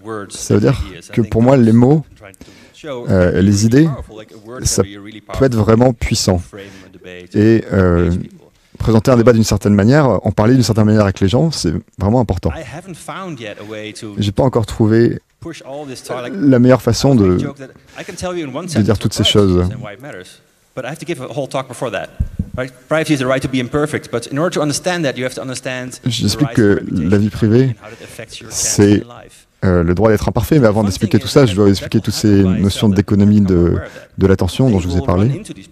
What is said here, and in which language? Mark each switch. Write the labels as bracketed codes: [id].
[fr] Ça veut dire que pour moi, les mots et les idées, ça peut être vraiment puissant. Et présenter un débat d'une certaine manière, en parler d'une certaine manière avec les gens, c'est vraiment important. Je n'ai pas encore trouvé la meilleure façon de dire toutes ces choses. [en] But I have to give a whole talk before that. Right? Privacy is a right to be imperfect, but in order to understand that, you have to understand. [fr] J'explique que la vie privée, c'est le droit d'être imparfait. Mais avant d'expliquer tout ça, je dois expliquer toutes ces notions d'économie de l'attention dont je vous ai parlé.